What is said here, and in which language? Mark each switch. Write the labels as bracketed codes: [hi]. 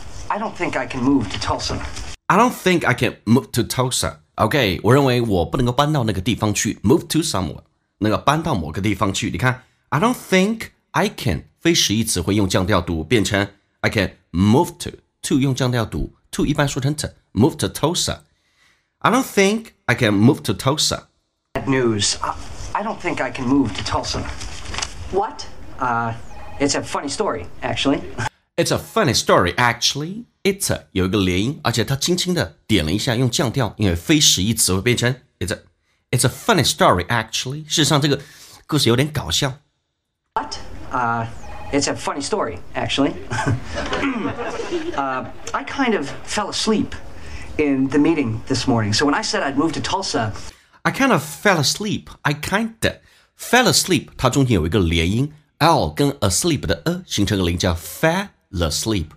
[en] I don't think I can move to Tulsa. [zh] OK, 我认为我不能够搬到那个地方去。 [en] Move to somewhere. [zh] 那个搬到某个地方去。你看 [en] ,I don't think I can. [zh] 非实义词会用降调读变成 [en] I can move to. [zh] To 用降调读。To 一般说成 to. [en] Move to Tulsa. I don't think I can move to Tulsa. Bad news. I don't think I can move to Tulsa. What? It's a funny story, actually. It's a funny story, actually. It's a, [zh] 有一个连音，而且他轻轻的点了一下，用降调，因为非实义词会变成 [en] It's a funny story, actually. [zh] 事实上，这个故事有点搞笑。 [en] What? It's a funny story, actually. I kind of fell asleep in the meeting this morning. So when I said I'd move to Tulsa. I kind of fell asleep. [zh] 它中间有一个连音 L 跟 asleep 的 形成个连音叫 [en] fall asleep.